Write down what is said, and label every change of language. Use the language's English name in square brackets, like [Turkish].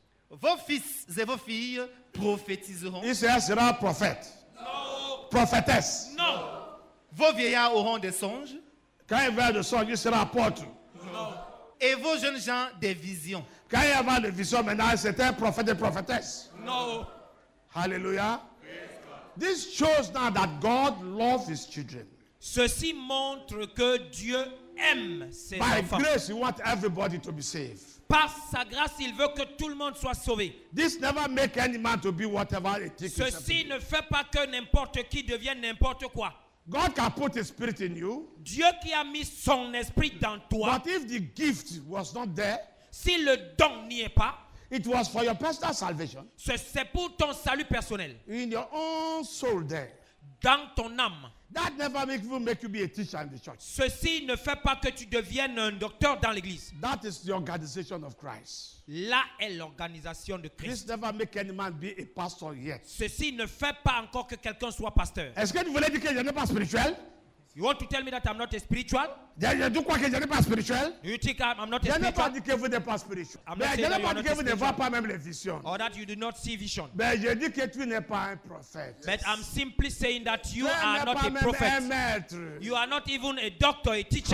[French] Vos fils et vos filles prophétiseront. Il sera prophète. Non. Prophétesse. Non. Vos vieillards auront des songes. Quand il va de songe, il sera apôtre. Et vos jeunes gens des visions. Quand il y avait des visions, maintenant, c'était un prophète et prophétesse. [English] No. Hallelujah. This shows now that God loves his children. [French] Ceci montre que Dieu aime ses [English] By [French] enfants. [English] By grace, he wants everybody to be saved. [French] Par sa grâce, il veut que tout le monde soit sauvé. [English] This never make any man to be whatever it takes. [French] Ceci ne fait pas que n'importe qui devienne n'importe quoi. [English] God can put his spirit in you. [French] Dieu qui a mis son esprit dans toi. [English] But if the gift was not there, [French] si le don n'y est pas, [English] it was for your personal salvation. [French] C'est pour ton salut personnel. [English] In your own soul there. [French] Dans ton âme. [English] That never make you be a teacher in the church. [French] Ceci ne fait pas que tu deviennes un docteur dans l'église. [English] That is the organization of Christ. [French] Là est l'organisation de Christ. [English] This never make any man be a pastor yet. [French] Ceci ne fait pas encore que quelqu'un soit pasteur. Est-ce que tu voulais dire que je n'ai pas spirituel? [English] You want to tell me that I'm not a spiritual? [French] Je dis quoi que je n'ai pas spirituel? [English] You think I'm not a spiritual? [French] Je n'ai pas dit que vous n'êtes pas spirituel. Je n'ai pas dit que vous ne voyez pas même les visions. [English] Or that you do not see vision. [French] Mais je dis que tu n'es pas un prophète. [English] But I'm simply saying that you are not a prophet. [French] Tu n'es pas même un maître. [English] You are not even a doctor, a teacher.